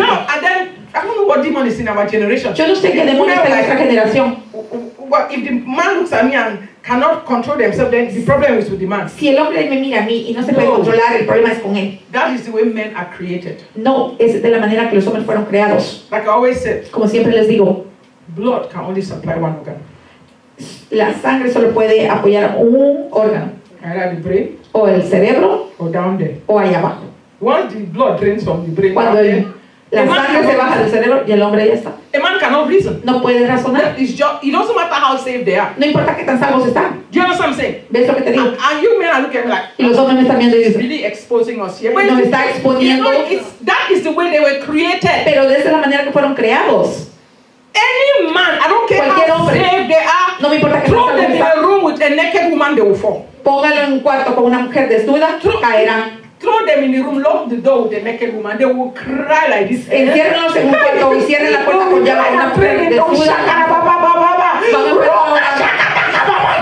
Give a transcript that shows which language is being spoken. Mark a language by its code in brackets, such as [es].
[en] And then, I don't know what demon is in our generation. [es] Yo no sé qué demonio está en nuestra generación. [en] Well, if the man looks at me and cannot control themselves, then the problem is with the man. [es] Si el hombre me mira a mí y no se puede controlar, el problema es con él. [en] That is the way men are created. [es] No, es de la manera que los hombres fueron creados. [en] Like I always said. [es] Como siempre les digo. [en] Blood can only supply one organ. [es] La sangre solo puede apoyar un órgano. [en] Either the brain. [es] O el cerebro. [en] Or down there. [es] O allá abajo. [en] Once the blood drains from the brain. [es] Cuando el, la sangre se baja del cerebro y el hombre ya está. [en] A man cannot reason. [es] No puede razonar. [en] It doesn't matter how safe they are. [es] No importa qué tan salvos están. [en] Do you understand what I'm saying? [es] ¿Ves lo que te digo? [en] And you men are looking like. [es] Y los hombres me están viendo y dicen. [en] Really exposing us here. But [es] nos está exponiendo. [en] You know, that is the way they were created. [es] Pero de esa es la manera que fueron creados. [en] Any man, I don't care [es] cualquier [en] how [es] hombre, [en] safe they are. [es] No me importa que [en] throw them in a room with a naked woman, they will fall. [es] Póngalo en un cuarto con una mujer desnuda, caerán. [en] Throw them in the room, lock the door with a naked woman, they will cry like this. [es] Enciérrenlos en un cuarto y cierren la puerta con llave a una mujer desnuda.